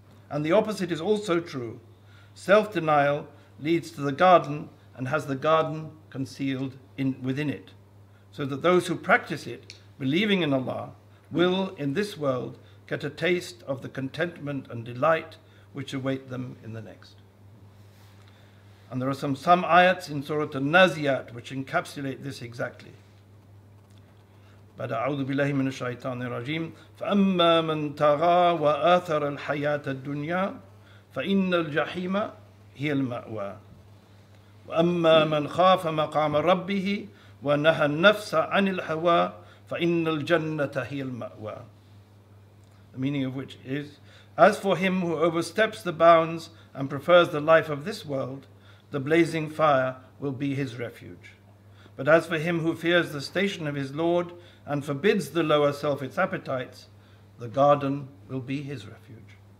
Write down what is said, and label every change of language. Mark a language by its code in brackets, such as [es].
[en] And the opposite is also true. Self-denial leads to the garden and has the garden concealed within it, so that those who practice it, believing in Allah, will, in this world, get a taste of the contentment and delight which await them in the next. And there are some ayats in Surah An-Naziat which encapsulate this exactly. [ar] بعد أعوذ بالله من الشيطان الرجيم فأما من طغى وآثر الحياة الدنيا فإن الجحيم هي المأوى وأما من خاف مقام ربه ونهى النفس عن الهوى فإن الجنة هي المأوى. [en] The meaning of which is, as for him who oversteps the bounds and prefers the life of this world, the blazing fire will be his refuge. But as for him who fears the station of his Lord and forbids the lower self its appetites, the garden will be his refuge.